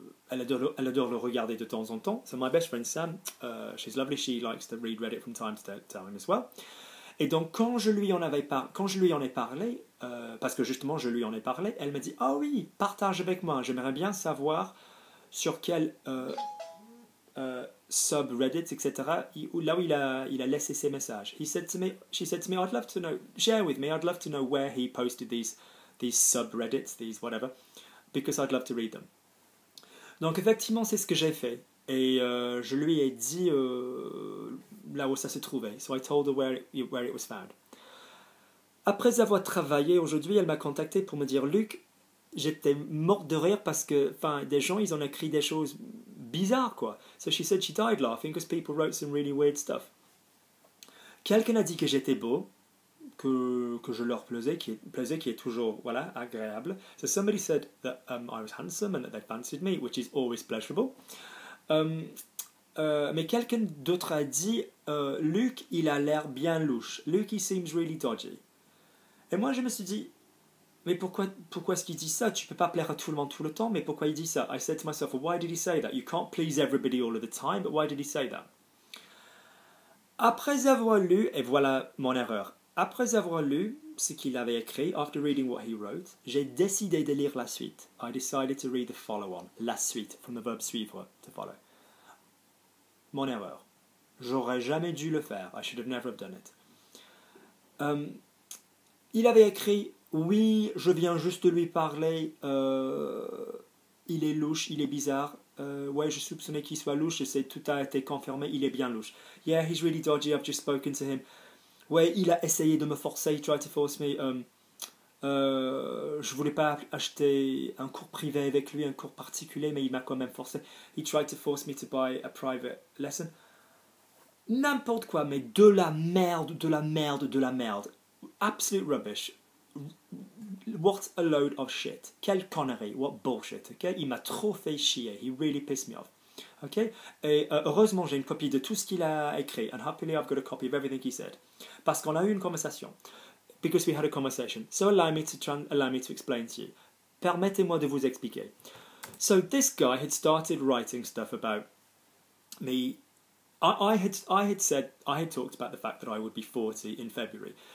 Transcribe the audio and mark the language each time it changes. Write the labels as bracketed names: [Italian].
[French] Elle adore le regarder de temps en temps. [English] So my best friend Sam, she's lovely, she likes to read Reddit from time to time as well. [French] Et donc quand je lui en ai parlé, parce que justement je lui en ai parlé, elle m'a dit, ah oui, partage avec moi, j'aimerais bien savoir sur quel sub Reddit, etc., là où il a laissé ses messages. [English] She said to me, I'd love to know, share with me, I'd love to know where he posted these sub Reddits, these whatever, because I'd love to read them. [French] Donc effectivement, c'est ce que j'ai fait. Et je lui ai dit là où ça se trouvait. [English] So I told her where it was found. [French] Après avoir travaillé aujourd'hui, elle m'a contacté pour me dire, Luc, j'étais morte de rire parce que des gens, ils ont écrit des choses bizarres, quoi. [English] So she said she died laughing because people wrote some really weird stuff. [French] Quelqu'un a dit que j'étais beau, que je leur plaisais, qui est toujours, voilà, agréable. [English] So somebody said that I was handsome and that they fancied me, which is always pleasurable. [French] Mais quelqu'un d'autre a dit, Luc, il a l'air bien louche. [English] Luc, he seems really dodgy. [French] Et moi, je me suis dit, mais pourquoi est-ce qu'il dit ça? Tu peux pas plaire à tout le monde tout le temps, mais pourquoi il dit ça? [English] I said to myself, why did he say that? You can't please everybody all of the time, but why did he say that? [French] Après avoir lu, et voilà mon erreur, après avoir lu ce qu'il avait écrit, [English] after reading what he wrote, [French] j'ai décidé de lire la suite. [English] I decided to read the follow-on. La suite, from the verb suivre, to follow. [French] Mon erreur. J'aurais jamais dû le faire. [English] I should have never have done it. [French] Il avait écrit, oui, je viens juste de lui parler. Il est louche, il est bizarre. Ouais, je soupçonnais qu'il soit louche. Et tout a été confirmé, il est bien louche. [English] Yeah, he's really dodgy, I've just spoken to him. [French] Ouais, il a essayé de me forcer, [English] he tried to force me. [French] Je voulais pas acheter un cours privé avec lui, un cours particulier, mais il m'a quand même forcé. [English] He tried to force me to buy a private lesson. [French] N'importe quoi, mais de la merde, de la merde, de la merde. [English] Absolute rubbish. What a load of shit. [French] Quelle connerie, [English] what bullshit, ok? [French] Il m'a trop fait chier, [English] he really pissed me off. [French] Ok, et heureusement j'ai une copie de tout ce qu'il a écrit. [English] And happily I've got a copy of everything he said. [French] Parce qu'on a eu une conversation. [English] Because we had a conversation. So allow me to explain to you. [French] Permettez-moi de vous expliquer. [English] So this guy had started writing stuff about me. I had talked about the fact that I would be 40 in February.